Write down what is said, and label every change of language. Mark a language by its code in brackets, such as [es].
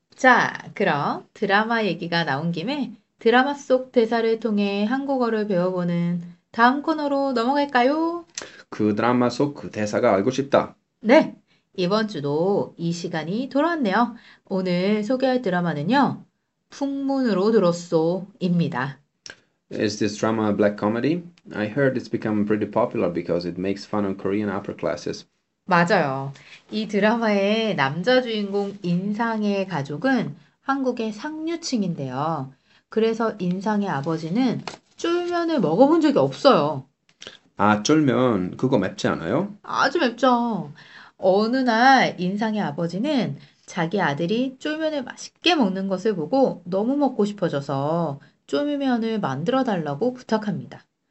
[ko] 자, 그럼 드라마 얘기가 나온 김에 드라마 속 대사를 통해 한국어를 배워보는 다음 코너로 넘어갈까요? 그 드라마 속그 대사가 알고 싶다. 네, 이번 주도 이 시간이 돌아왔네요. 오늘 소개할 드라마는요, 풍문으로 들었소입니다. [en] Is this drama a black comedy? I heard it's become pretty popular because it makes fun of Korean upper classes. [ko] 맞아요. 이 드라마의 남자 주인공 인상의 가족은 한국의 상류층인데요. 그래서 인상의 아버지는 쫄면을 먹어본 적이 없어요. 아, 쫄면 그거 맵지 않아요? 아주 맵죠. 어느 날 인상의 아버지는 자기 아들이 쫄면을 맛있게 먹는 것을 보고 너무 먹고 싶어져서 쫄면을 만들어 달라고 부탁합니다.